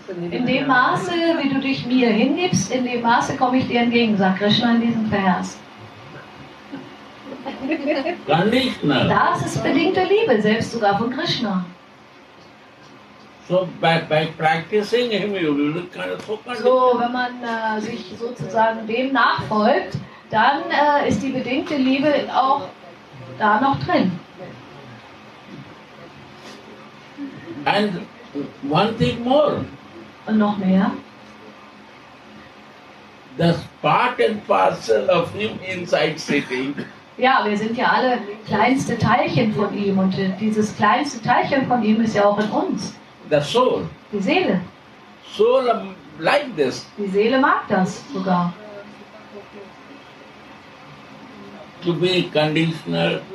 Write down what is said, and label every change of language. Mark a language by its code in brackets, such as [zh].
[de] In dem Maße, wie du dich mir hingibst, in dem Maße komme ich dir entgegen, sagt Krishna in diesem Vers. Krishna. Das ist bedingte Liebe, selbst sogar von Krishna. [en] So, by practicing him, you will kind of focus. [de] So, wenn man sich sozusagen dem nachfolgt, dann ist die bedingte Liebe auch da noch drin. [en] And one thing more. [de] Und noch mehr. [en] The part and parcel of him inside sitting. [de] Ja, wir sind ja alle kleinste Teilchen von ihm und dieses kleinste Teilchen von ihm ist ja auch in uns. [en] The soul. [de] Die Seele. [en] Soul like this. [de] Die Seele mag das sogar. [en] To be conditional.